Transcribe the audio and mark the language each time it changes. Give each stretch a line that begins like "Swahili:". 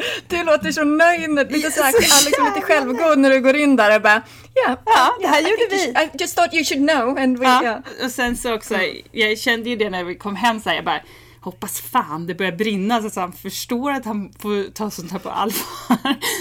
Swedish: Du låter så nöjd, lite så här, liksom lite självgod när du går in där och bara, det här gjorde vi.
English: I just thought you should know and we,
Swedish: Och sen så också, jag kände ju det när vi kom hem, så jag bara hoppas fan det börjar brinna så han förstår att han får ta sånt här på allvar.